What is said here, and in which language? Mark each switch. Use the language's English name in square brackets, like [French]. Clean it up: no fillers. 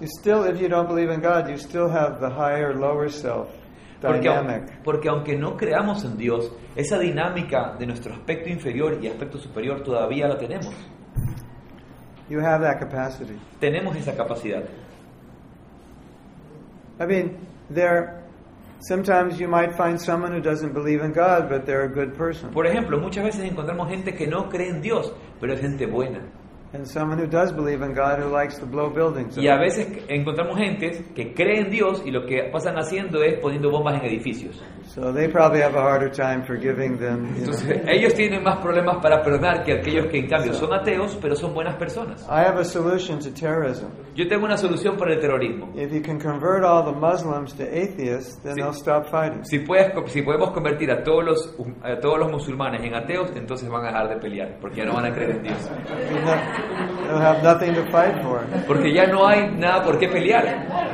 [English] you still, if you don't believe in God, you still have the higher, lower self dynamic. [Spanish] Porque aunque no creamos en Dios, esa dinámica de nuestro aspecto inferior y aspecto superior todavía la tenemos. [English] You have that capacity. [Spanish] Tenemos esa capacidad. [English] I mean, there, sometimes you might find someone who doesn't believe in God, but they're a good person. [Spanish] Por ejemplo, muchas veces encontramos gente que no cree en Dios, pero es gente buena. [English] And someone who does believe in God who likes to blow buildings up. [Spanish] Y a veces encontramos gente que cree en Dios y lo que pasan haciendo es poniendo bombas en edificios. [English] So they probably have a harder time forgiving than, you [Spanish] Entonces, [English] know. [Spanish] Ellos tienen más problemas para perdonar que aquellos que en cambio son ateos, pero son buenas personas. [English] I have a solution to terrorism. [Spanish] Yo tengo una solución para el terrorismo. [English] If you can convert all the Muslims to atheists, then they'll stop fighting. [Spanish] Si podemos convertir a todos los musulmanes en ateos, entonces van a dejar de pelear, porque ya no van a creer en Dios. [English] They'll have nothing to fight for. [Spanish] Porque ya no hay nada por qué pelear.